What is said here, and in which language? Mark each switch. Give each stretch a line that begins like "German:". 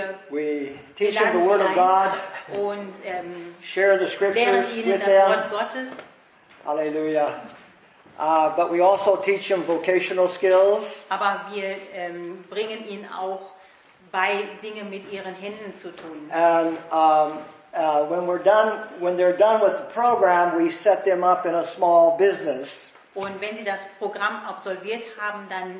English: We teach them the Word of God and share the Scriptures with them. Hallelujah. But we also teach them vocational skills.
German: Aber wir bringen ihnen auch bei, Dinge mit ihren Händen zu tun.
English: And when they're done with the program, we set them up in a small business.
German: Und wenn sie das Programm absolviert haben, dann